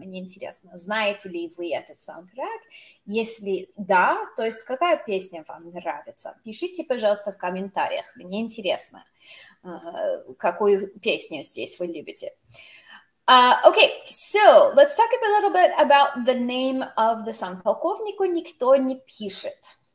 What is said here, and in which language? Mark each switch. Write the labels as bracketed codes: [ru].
[ru] Мне интересно, знаете ли вы этот саундтрек? Если да, то есть какая песня вам нравится? Пишите, пожалуйста, в комментариях, мне интересно. Какую песню здесь вы любите? [en] Okay, so let's talk a little bit about the name of the song. [ru] Полковнику никто не пишет.